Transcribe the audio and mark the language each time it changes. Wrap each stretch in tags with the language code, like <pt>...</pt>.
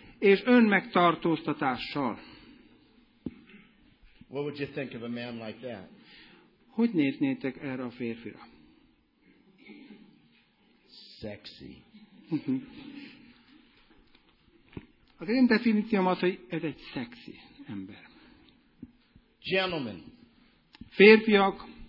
<hu>És önmegtartóztatással.</hu> <en>What would you think of a man like that?</en> <hu>Hogy néznétek erre a férfira?</hu> <en>Sexy.</en> <hu>Az én definícióm az, hogy ez egy szexi ember.</hu> <en>Gentlemen.</en> <hu>Férfiak.</hu>